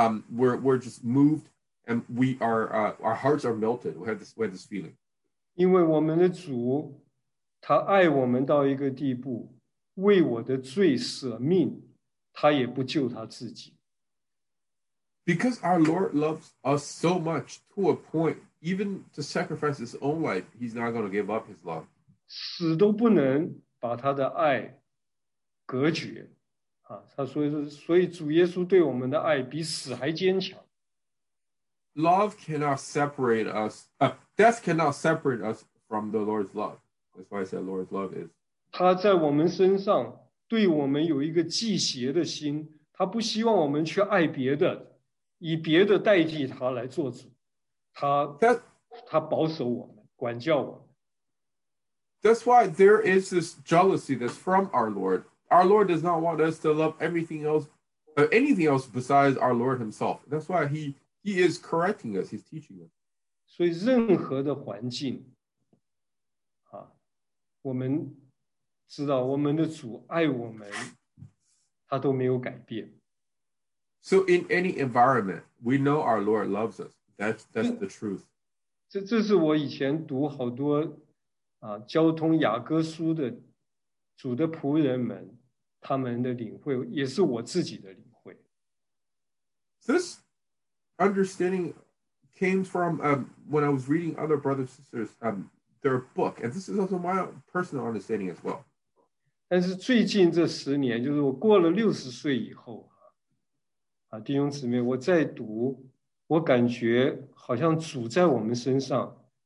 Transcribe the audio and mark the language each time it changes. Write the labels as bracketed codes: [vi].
[en] We're just moved and we are, our hearts are melted. We have this feeling. [zh] 因为我们的主，他爱我们到一个地步，为我的罪舍命，他也不救他自己。 [en] Because our Lord loves us so much to a point, even to sacrifice his own life, he's not going to give up his love. [zh] 死都不能把他的爱隔绝。所以主耶稣对我们的爱比死还坚强。 [en] Love cannot separate us, death cannot separate us from the Lord's love. That's why I said Lord's love is. [zh] 他在我们身上对我们有一个祭邪的心，他不希望我们去爱别的。以别的代替他来做主，他保守我们，管教我们。 [en] That's why there is this jealousy that's from our Lord. our Lord does not want us to love everything else, anything else besides our Lord himself. That's why he is correcting us. He's teaching us. [zh] 所以任何的环境, 啊, 我们知道我们的主爱我们, 他都没有改变。 [en] So in any environment, we know our Lord loves us. That's the truth. [zh] 这是我以前读好多 交通雅各书的主的仆人们, 他们的领会, 也是我自己的领会。 [en] This understanding came from when I was reading other brothers and sisters their book, and this is also my personal understanding as well. [zh] 但是最近这十年, 就是我过了60岁以后, 啊, 弟兄姊妹, 我在读, 我感觉好像主在我们身上,